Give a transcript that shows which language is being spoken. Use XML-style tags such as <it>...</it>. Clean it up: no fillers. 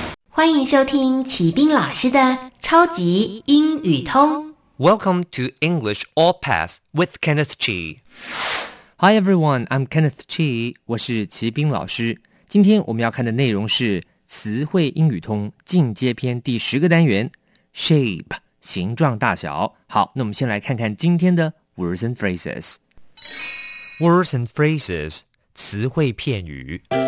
<zh>欢迎收听启斌老师的超级英语通。</zh> <en>Welcome to English All Pass with Kenneth Chi. Hi everyone, I'm Kenneth Chi.</en> <zh>我是齐斌老师。今天我们要看的内容是词汇英语通进阶篇第十个单元 Shape, 形状大小。好，那我们先来看看今天的 Words and Phrases.</zh> <en>Words and Phrases, 词汇片语。</en>